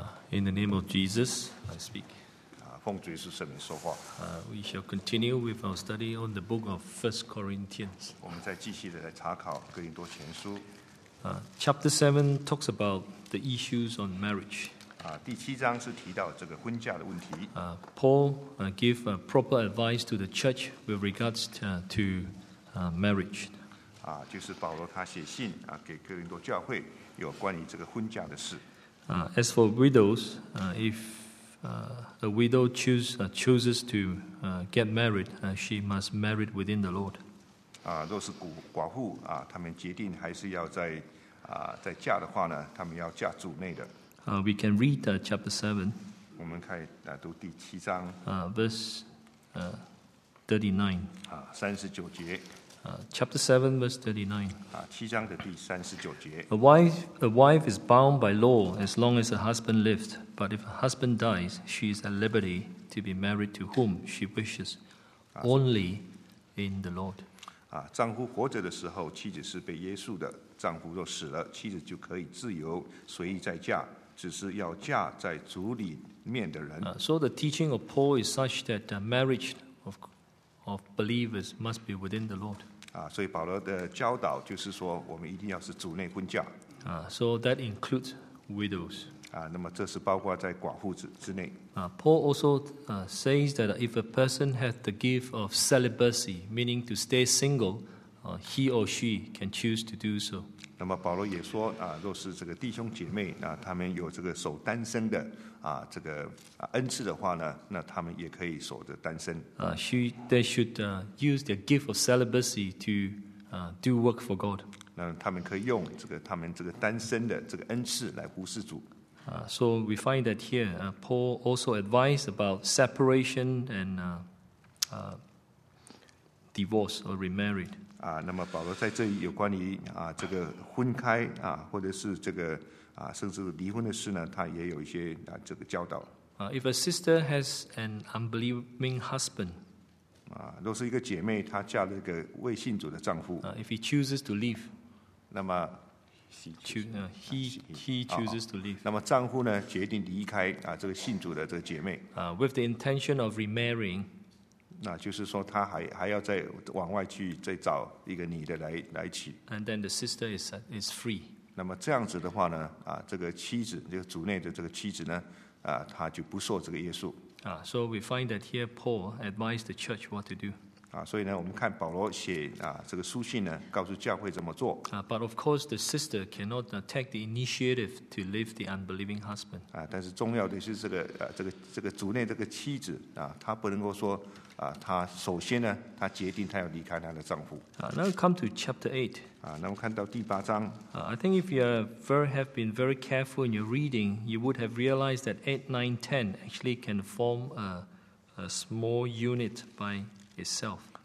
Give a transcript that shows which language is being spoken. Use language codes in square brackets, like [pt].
[en] In the name of Jesus, I speak. [zh] 奉主耶稣圣名说话。 [en] We shall continue with our study on the book of First Corinthians. [zh] 我们再继续的来查考哥林多前书。 [en] Chapter 7 talks about the issues on marriage. [zh] 第七章是提到这个婚嫁的问题。 [en] Paul give a proper advice to the church with regards to marriage. [zh] 就是保罗他写信给哥林多教会有关于这个婚嫁的事。 [en] As for widows, if a widow chooses to get married, she must marry within the Lord. [zh] 若是寡妇他们决定还是要再嫁的话呢，他们要嫁主内的。 [en] We can read chapter 7. [zh] 我们可以读第七章。 [en] Verse 39. [zh] 39节。 [en] Chapter 7, verse 39. [zh] 七章的第39节。 [en] A wife is bound by law as long as her husband lives, but if her husband dies, she is at liberty to be married to whom she wishes, only in the Lord. [zh] 丈夫活着的时候，妻子是被约束的。丈夫若死了，妻子就可以自由随意再嫁，只是要嫁在主里面的人。 [en] So the teaching of Paul is such that marriage of believers must be within the Lord. [zh] 所以保罗的教导就是说，我们一定要是主内婚嫁。 [en] So that includes widows. [zh] 那么这是包括在寡妇之内。 [en] Paul also says that if a person has the gift of celibacy, meaning to stay single, he or she can choose to do so. [zh] 那么保罗也说，若是这个弟兄姐妹，那他们有这个守单身的这个恩赐的话呢，那他们也可以守着单身。 [en] They should use their gift of celibacy to do work for God. [zh] 那他们可以用这个他们这个单身的这个恩赐来服侍主。 [en] So we find that here, Paul also advised about separation and divorce or remarried. [zh] 那么保罗在这里有关于这个婚开或者是这个甚至离婚的事呢，他也有一些这个教导。 [en] If a sister has an unbelieving husband, [zh] 若是一个姐妹她嫁了一个未信主的丈夫。 [en] If he chooses to leave, [zh] 那么 [en] he chooses to leave. [zh] 那么丈夫呢决定离开这个信主的这个姐妹。 [en] With the intention of remarrying. [zh] 那就是说他 还要再往外去再找一个女的 来娶。 [en] And then the sister is free. [zh] 那么这样子的话呢，这个妻子，这个主内的这个妻子呢，他就不受这个约束。 [en] So we find that here Paul advised the church what to do. [zh] 所以呢，我们看保罗写这个书信呢，告诉教会怎么做。 [en] But of course the sister cannot take the initiative to leave the unbelieving husband. [zh] 但是重要的是这个主内这个妻子她不能够说她首先呢，她决定她要离开她的丈夫。 [en] Now come to chapter 8. [zh] 那么看到第八章。 [en] I think if you have been very careful in your reading, you would have realized that 8, 9, 10 actually can form a small unit by itself.